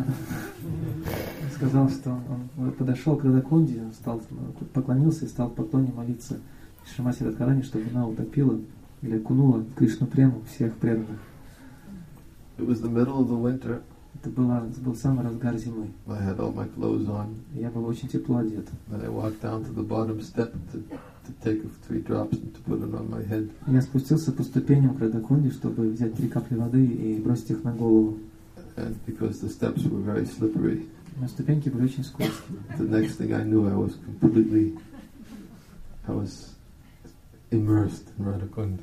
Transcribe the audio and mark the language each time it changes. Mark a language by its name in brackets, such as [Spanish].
[Russian] Он сказал, что он подошел к Радакунде, поклонился и стал поклоне молиться Шримати Радхарани, чтобы она утопила или окунула Кришну прему всех преданных. [English] It was the middle of the winter. [Russian] Это был самый разгар зимы. [English] I had all my clothes on. [Russian] Я был очень тепло одет. [English] And I walked down to the bottom step to take three drops and to put it on my head. [Russian] Я спустился по ступеням к Радха Кунде, чтобы взять три капли воды и бросить их на голову. [English] And because the steps were very slippery. [Russian] Но ступеньки были очень скользкие. [English] The next thing I knew, I was immersed in Radha Kunda.